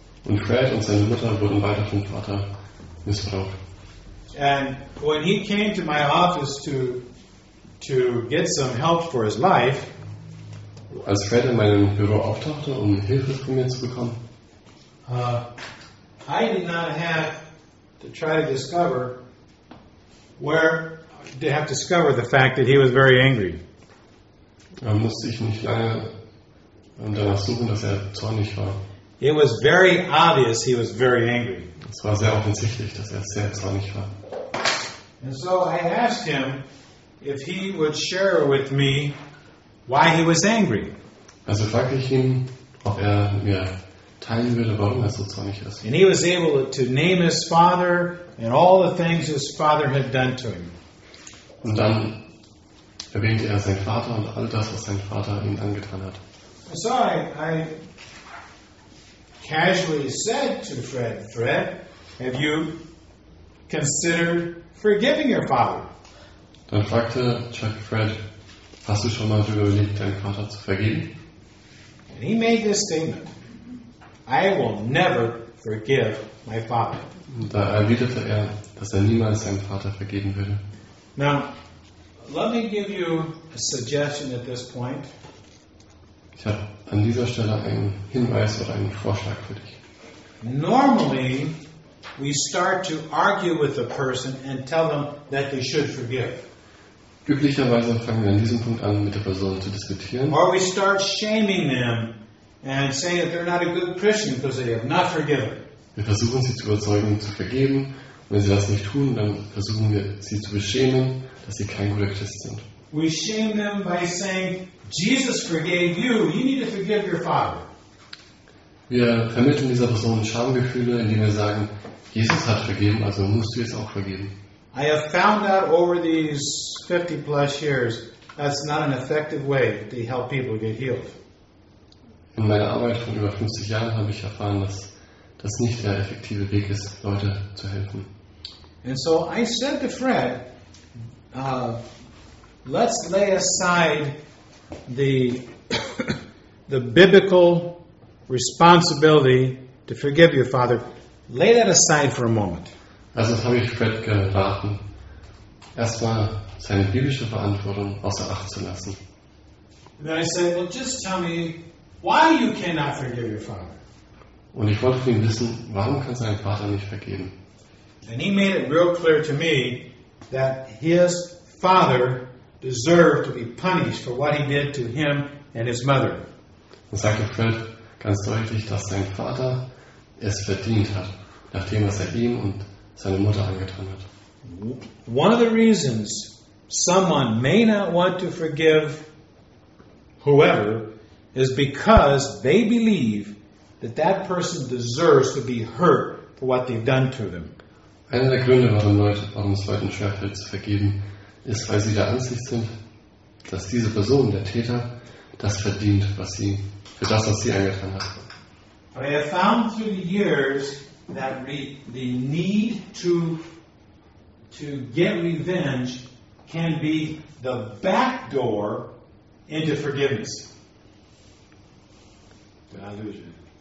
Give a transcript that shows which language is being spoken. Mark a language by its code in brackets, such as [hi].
[de] Und Fred und seine Mutter wurden beide vom Vater missbraucht. [en] And when he came to my office to get some help for his life, [de] als Fred in meinem Büro auftauchte, um Hilfe von mir zu bekommen, [en] I did not have to try to discover where to have discovered the fact that he was very angry. [de] Da musste ich nicht lange danach suchen, dass er zornig war. [en] It was very obvious he was very angry. [de] Es war sehr offensichtlich, dass er sehr zornig war. [en] And so I asked him if he would share with me why he was angry. [de] Also fragte ich ihn, ob er mir teilen würde, warum er so zornig ist. [en] And he was able to name his father and all the things his father had done to him. [de] Und dann erwähnte er seinen Vater und all das, was sein Vater ihm angetan hat. [en] So I casually said to Fred, "Fred, have you considered forgiving your father?" [de] Dann fragte Chuck Fred, "Hast du schon mal darüber überlegt, deinen Vater zu vergeben?" [en] And he made this statement, "I will never forgive my father." [de] Da erwiderte er, dass er niemals seinem Vater vergeben würde. [en] Now, let me give you a suggestion at this point. [de] Ich habe an dieser Stelle einen Hinweis oder einen Vorschlag für dich. [en] Normally, we start to argue with the person and tell them that they should forgive. [de] Üblicherweise fangen wir an diesem Punkt an, mit der Person zu diskutieren. [en] Or we start shaming them and saying that they're not a good Christian because they have not forgiven. [de] Wir versuchen sie zu überzeugen, zu vergeben. Wenn sie das nicht tun, dann versuchen wir sie zu beschämen, dass sie kein guter Christ sind. [en] We shame them by saying, "Jesus forgave you. You need to forgive your father." [de] Wir vermitteln dieser Person Schamgefühle, indem wir sagen, Jesus hat vergeben, also musst du jetzt auch vergeben. [en] I have found out over these 50 plus years, that's not an effective way to help people get healed. [de] In meiner Arbeit von über 50 Jahren habe ich erfahren, dass das nicht der effektive Weg ist, Leute zu helfen. [en] And so I said to Fred, let's lay aside the biblical responsibility to forgive your father. Lay that aside for a moment. [de] Also das habe ich Fred geraten, erstmal seine biblische Verantwortung außer Acht zu lassen. [en] And then I said, well, just tell me why you cannot forgive your father. [de] Und ich wollte von ihm wissen, warum kann sein Vater nicht vergeben? [en] And he made it real clear to me that his father deserved to be punished for what he did to him and his mother. [de] Und sagte Fred ganz deutlich, dass sein Vater es verdient hat, nachdem was er ihm und seine Mutter angetan hat. [en] One of the reasons someone may not want to forgive whoever is because they believe that that person deserves to be hurt for what they've done to them. [de] Einer der Gründe, warum es Leuten schwerfällt zu vergeben, ist, weil sie der Ansicht sind, dass diese Person, der Täter, das verdient, was sie, für das, was sie angetan hat. [en] But I have found through the years that the need to get revenge can be the back door into forgiveness. Did I lose you?